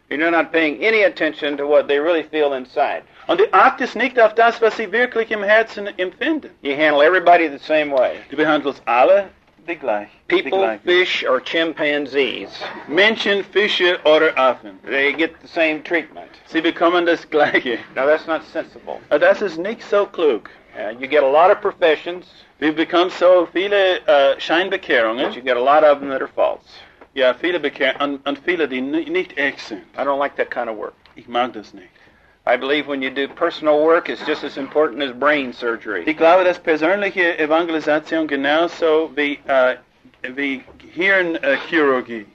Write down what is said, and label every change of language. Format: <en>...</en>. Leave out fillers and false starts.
<en>And you're not paying any attention to what they really feel inside.</en> <de>Und du achtest nicht auf das, was sie wirklich im Herzen empfinden.</de> <en>You handle everybody the same way.</en> <de>Du behandelst alle die gleich.</de> <en>People,</en> <de>die gleich.</de> <en>Fish, or chimpanzees.</en> <de>Menschen, Fische oder Affen.</de> <en>They get the same treatment.</en> <de>Sie bekommen das Gleiche.</de> <en>Now that's not sensible.</en> <de>Das ist nicht so klug.</de> <en>You get a lot of professions.</en> <de>Du bekommst so viele Scheinbekehrungen.</de> <en>But you get a lot of them that are false.</en> <de>Ja, viele und viele, die nicht echt sind.</de> <en>I don't like that kind of work.</en> <de>Ich mag das nicht.</de> <en>I believe when you do personal work, it's just as important as brain surgery.</en> <de>Ich glaube, dass persönliche Evangelisation genauso wie Hirnchirurgie</de>